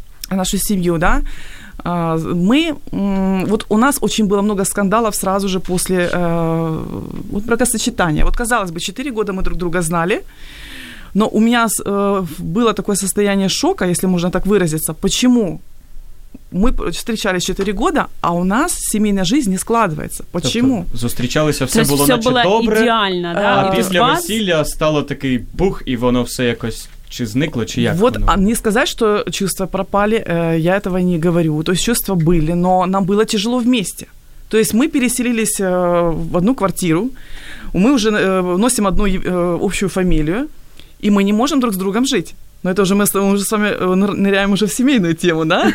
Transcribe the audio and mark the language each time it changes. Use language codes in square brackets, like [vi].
[ru] нашу семью, да, мы, вот у нас очень было много скандалов сразу же после вот бракосочетания. Вот, казалось бы, 4 года мы друг друга знали, но у меня было такое состояние шока, если можно так выразиться. Почему? Мы встречались 4 года, а у нас семейная жизнь не складывается. Почему? [uk] Тобто, зустрічалися, все було наче добре. Все було ідеально, да? А після весілля стало такий бух, і воно все якось... Чи зникло, чи як? [ru] Вот, [uk] воно? [ru] А не сказать, что чувства пропали, я этого не говорю. То есть чувства были, но нам было тяжело вместе. То есть мы переселились в одну квартиру, мы уже носим одну общую фамилию, и мы не можем друг с другом жить. Но это уже мы уже с вами ныряем уже в семейную тему, да?